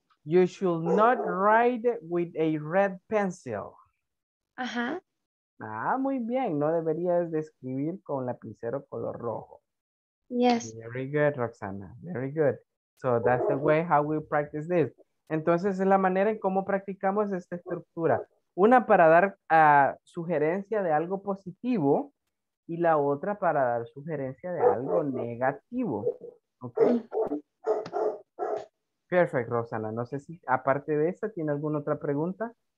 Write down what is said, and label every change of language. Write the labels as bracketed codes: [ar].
[en] You should not write with a red pencil. Ajá. [es] Ah, muy bien. No deberías de escribir con lapicero color rojo. [en] Yes. Very good, Roxana. Very good. So that's the way how we practice this. [es] Entonces, es la manera en cómo practicamos esta estructura. Una para dar sugerencia de algo positivo y la otra para dar sugerencia de algo negativo. Okay. [en] Perfect, [es] Roxana. No sé si, aparte de esta, ¿tiene alguna otra pregunta?